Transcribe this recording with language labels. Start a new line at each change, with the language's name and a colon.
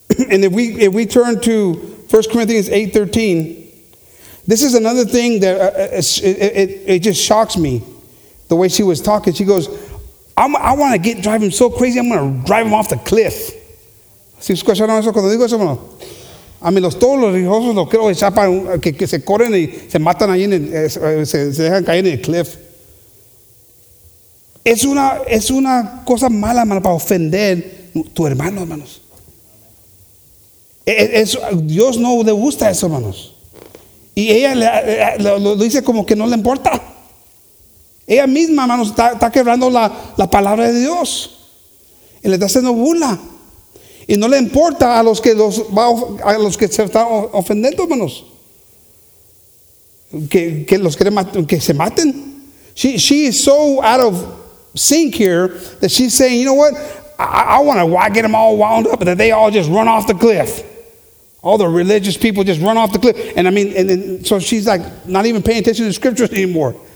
English: And if we turn to 1 Corinthians 8:13, this is another thing that it just shocks me, the way she was talking. She goes, I want to get driving so crazy, I'm going to drive him off the cliff.
Spanish: Si escucharon eso cuando digo eso, hermano. A mí todos los religiosos los quiero echar para que se corren y se matan ahí, se dejan caer en el cliff. Es una cosa mala, hermano, para ofender tu hermano, hermanos. Dios no le gusta eso, hermanos. Y ella lo dice como que no le importa. Ella misma, hermanos, está quebrando la palabra de Dios. Y le está haciendo burla. Y no le importa a los que se están ofendiendo, hermanos. Que los quieren que se maten.
English: She is so out of sync here that she's saying, you know what? I want to get them all wound up and that they all just run off the cliff. All the religious people just run off the cliff. And I mean, and then, so she's like not even paying attention to scriptures anymore.